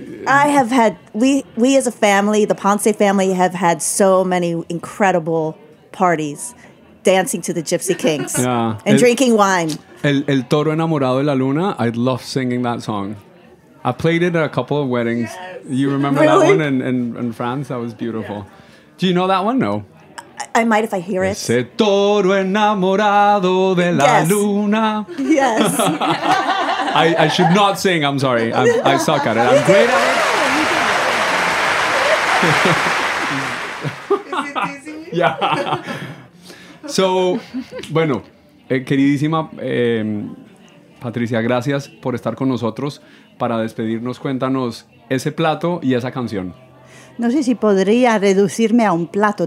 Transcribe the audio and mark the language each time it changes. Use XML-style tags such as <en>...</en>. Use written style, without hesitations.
<en>I have had, we as a family, the Ponce family, have had so many incredible parties dancing to the Gypsy Kings and drinking wine. El Toro Enamorado de la Luna, I love singing that song. I played it at a couple of weddings. Yes. You remember really? That one in France? That was beautiful. Yeah. Do you know that one? No. I might if I hear it.</en> <es>Ese toro enamorado de la luna.</es> <en>Yes. I should not sing. I'm sorry. I suck at it. I'm great at it. Is it easy? Yeah.</en> <es>So, bueno, queridísima Patricia, gracias por estar con nosotros. Para despedirnos, cuéntanos ese plato y esa canción. No sé si podría reducirme a un plato.</es>